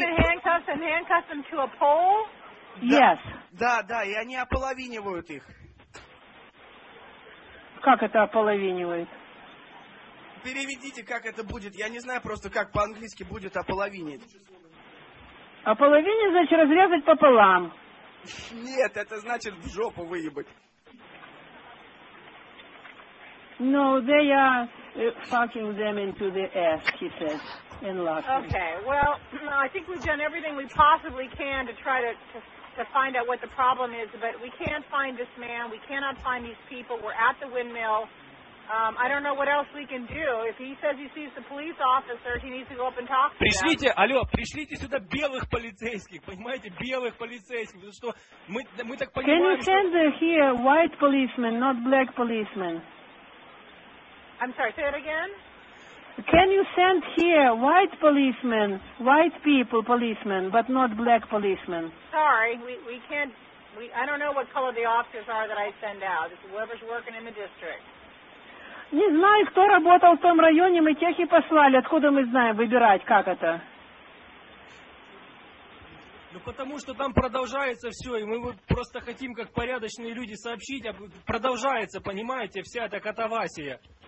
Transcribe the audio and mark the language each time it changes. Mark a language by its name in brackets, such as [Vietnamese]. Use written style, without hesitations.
[English] the handcuffs and handcuffed them to a pole? [Russian] Да, [English] yes. [Russian] Да, да, и они ополовинивают их. Как это ополовинивает? Переведите, как это будет. Я не знаю просто, как по-английски будет ополовинить. Ополовинить значит разрезать пополам. Нет, это значит в жопу выебать. [English] No, they are fucking them into the ass, he says, in Latin. Okay, well, I think we've done everything we possibly can to try to find out what the problem is, but we can't find this man, we cannot find these people, we're at the windmill. I don't know what else we can do. If he says he sees the police officer, he needs to go up and talk to them. [Russian] Пришлите, алло, пришлите сюда белых полицейских, понимаете, белых полицейских, потому что мы так понимаем, [English] can you send here white policemen, not black policemen? I'm sorry, say it again? Can you send here white policemen, white people policemen, but not black policemen? Sorry, we can't, I don't know what color the officers are that I send out. It's whoever's working in the district. [Russian] Не знаю, кто работал в том районе, мы тех и послали. Откуда мы знаем выбирать, как это? Ну, потому что там продолжается все, и мы вот просто хотим, как порядочные люди, сообщить. А продолжается, понимаете, вся эта катавасия.